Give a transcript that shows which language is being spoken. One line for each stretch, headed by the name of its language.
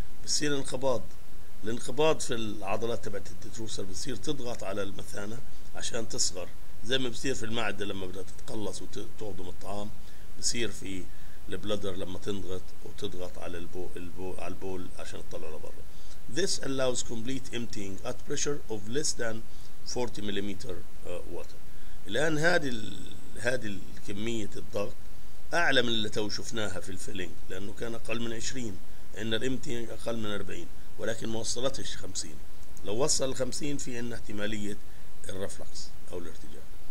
Arabic: بصير انخفاض، الانخفاض في العضلات تبعت التتروسر بصير تضغط على المثانة عشان تصغر، زي ما بصير في المعدة لما بدها تتقلص وتهضم الطعام، بصير في البلدر لما تنضغط وتضغط على البول عشان تطلع لبرا.
English: This allows complete emptying at pressure of less than 40 millimeter water.
Arabic: الآن هذه الكمية الضغط أعلى من اللي تو شفناها في الفيلينج، لأنه كان أقل من 20، إن الإمتينج أقل من 40، ولكن ما وصلتش 50. لو وصل 50 في إن احتمالية الرفلكس أو الارتجاع.